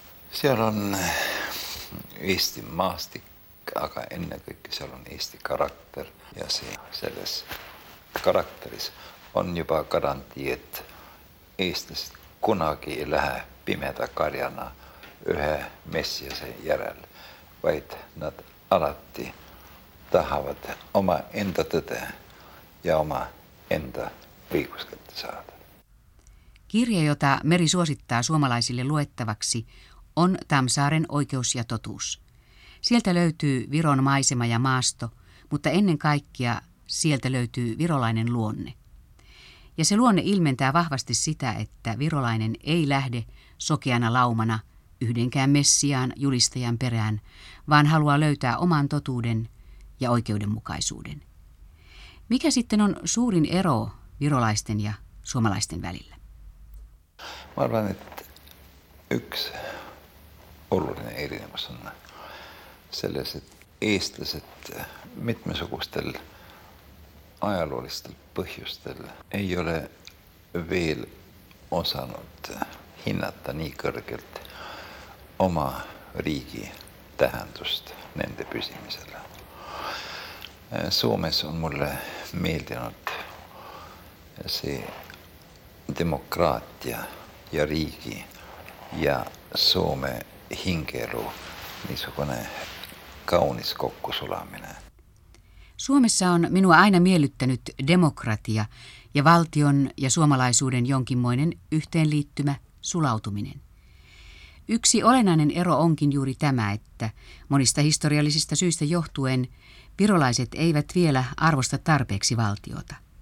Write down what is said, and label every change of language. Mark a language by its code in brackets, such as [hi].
[et] Seal on Eesti maastik, aga ennekõike seal on Eesti karakter ja see selles karakteris on juba garantii, et eestlased kunagi ei lähe pimeda karjana ühe messiase järel, vaid nad alati tahavad oma enda tõde ja oma enda õiguskätte saada. [fi] Kirja, jota Meri suosittaa suomalaisille luettavaksi, on Tammsaaren oikeus ja totuus. Sieltä löytyy Viron maisema ja maasto, mutta ennen kaikkea sieltä löytyy virolainen luonne. Ja se luonne ilmentää vahvasti sitä, että virolainen ei lähde sokeana laumana yhdenkään messiaan julistajan perään, vaan haluaa löytää oman totuuden ja oikeudenmukaisuuden. Mikä sitten on suurin ero virolaisten ja suomalaisten välillä? [et] Mä arvan, että yksi oluline erinomus on selles, että eestlased mitmesugustel ajaloolistel põhjustel ei ole vielä osannut hinnata niin kõrgelt oma riigi tähendust nende püsimisele. Suomes on mulle meeldinud see demokraatia ja riigi ja Soome hingeelu niisugune kaunis kokkusulaminen. [fi] Suomessa on minua aina miellyttänyt demokratia ja valtion ja suomalaisuuden jonkinmoinen yhteenliittymä, sulautuminen. Yksi olennainen ero onkin juuri tämä, että monista historiallisista syistä johtuen virolaiset eivät vielä arvosta tarpeeksi valtiota.